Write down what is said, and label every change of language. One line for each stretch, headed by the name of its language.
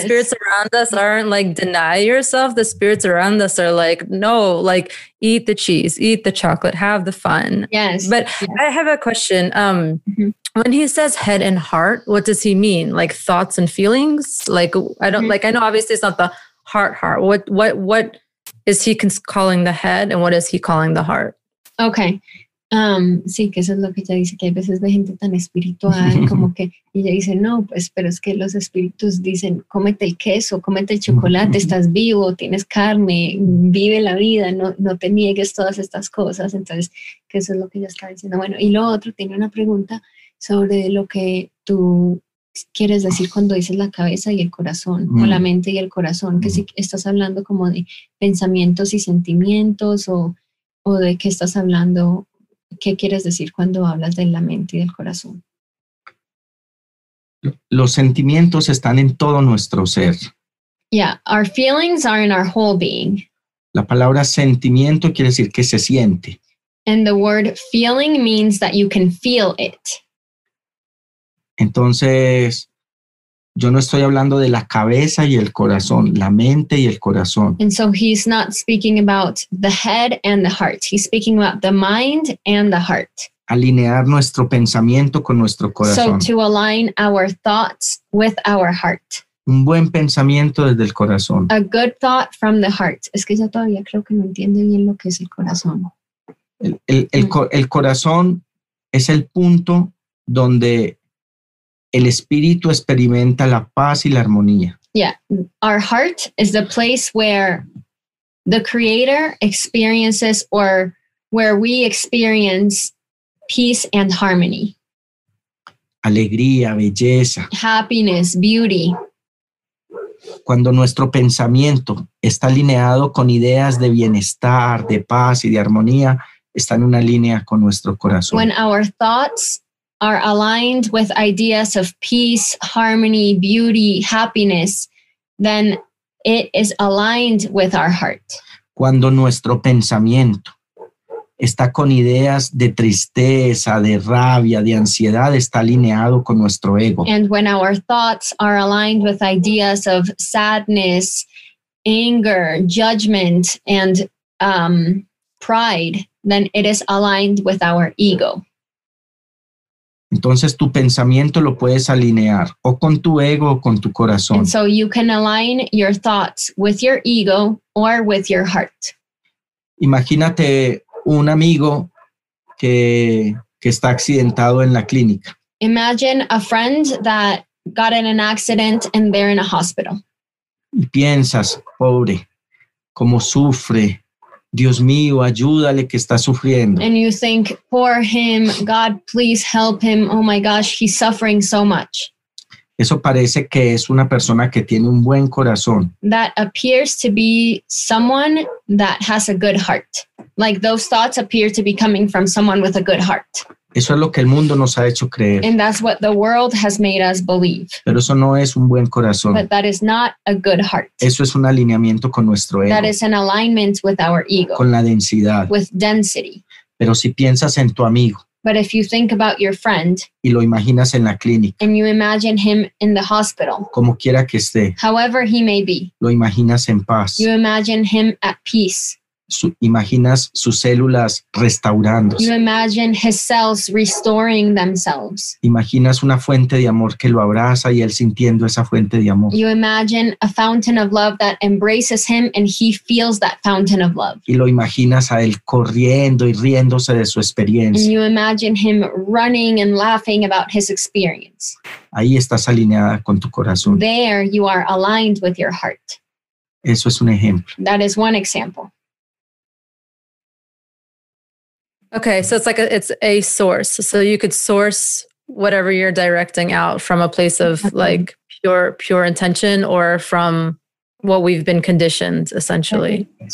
English: The spirits around us aren't like deny yourself. The spirits around us are like, no, like eat the cheese, eat the chocolate, have the fun. Yes. But yes. I have a question. When he says head and heart, what does he mean? Like thoughts and feelings? Like, I don't like, I know obviously it's not the heart. What is he calling the head and what is he calling the heart? Okay.
Spanish: Sí, que eso es lo que ella dice, que hay veces de gente tan espiritual, como que ella dice, no, pues, pero es que los espíritus dicen, cómete el queso, cómete el chocolate, estás vivo, tienes carne, vive la vida, no te niegues todas estas cosas. Entonces, que eso es lo que ella está diciendo. Bueno, y lo otro, tiene una pregunta sobre lo que tú quieres decir cuando dices la cabeza y el corazón, o la mente y el corazón, que si estás hablando como de pensamientos y sentimientos, o de qué estás hablando, qué quieres decir cuando hablas de la mente y del corazón. Los sentimientos están en todo nuestro ser.
English: Yeah, our feelings are in our whole being.
Spanish: La palabra sentimiento quiere decir que se siente.
English: And the word feeling means that you can feel it.
Spanish: Entonces, yo no estoy hablando de la cabeza y el corazón, la mente y el corazón.
English: And so he's not speaking about the head and the heart. He's speaking about the mind and the heart.
Spanish: Alinear nuestro pensamiento con nuestro corazón.
English: So to align our thoughts with our heart.
Spanish: Un buen pensamiento desde el corazón.
English: A good thought from the heart.
Spanish: Es que ella todavía creo que no entiende bien lo que es el corazón. El corazón es el punto donde el espíritu experimenta la paz y la armonía.
English: Yeah, our heart is the place where the creator experiences or where we experience peace and harmony.
Spanish: Alegría, belleza.
English: Happiness, beauty.
Spanish: Cuando nuestro pensamiento está alineado con ideas de bienestar, de paz y de armonía, está en una línea con nuestro corazón.
English: When our thoughts are aligned with ideas of peace, harmony, beauty, happiness, then it is aligned with our heart.
Spanish: Cuando nuestro pensamiento está con ideas de tristeza, de rabia, de ansiedad, está alineado con nuestro ego.
English: And when our thoughts are aligned with ideas of sadness, anger, judgment, and pride, then it is aligned with our ego.
Spanish: Entonces tu pensamiento lo puedes alinear o con tu ego o con tu corazón.
English: And so you can align your thoughts with your ego or with your heart.
Spanish: Imagínate un amigo que está accidentado en la clínica.
English: Imagine a friend that got in an accident and they're in a hospital.
Spanish: Y piensas, pobre, cómo sufre. Dios mío, ayúdale que está sufriendo.
English: And you think, poor him, God, please help him. Oh my gosh, he's suffering so much.
Spanish: Eso parece que es una persona que tiene un buen corazón.
English: That appears to be someone that has a good heart. Like those thoughts appear to be coming from someone with a good heart.
Spanish: Eso es lo que el mundo nos ha hecho creer.
English: And that's what the world has made us believe.
Spanish: Pero eso no es un buen corazón.
English: But that is not a good heart.
Spanish: Eso es un alineamiento con nuestro ego.
English: That is an alignment with our ego.
Spanish: Con la densidad.
English: With density.
Spanish: Pero si piensas en tu amigo.
English: But if you think about your friend.
Spanish: Y lo imaginas en la clínica.
English: And you imagine him in the hospital.
Spanish: Como quiera que esté.
English: However he may be.
Spanish: Lo imaginas en paz.
English: You imagine him at peace.
Spanish: Imaginas sus células restaurándose.
English: You imagine his cells restoring themselves.
Spanish: Imaginas una fuente de amor que lo abraza y él sintiendo esa fuente de amor.
English: You imagine a fountain of love that embraces him and he feels that fountain of love.
Spanish: Y lo imaginas a él corriendo y riéndose de su experiencia.
English: And you imagine him running and laughing about his experience.
Spanish: Ahí estás alineada con tu corazón.
English: There you are aligned with your heart.
Spanish: Eso es un ejemplo.
English: That is one example. Okay, so it's like it's a source. So you could source whatever you're directing out from a place of like pure intention or from what we've been conditioned, essentially.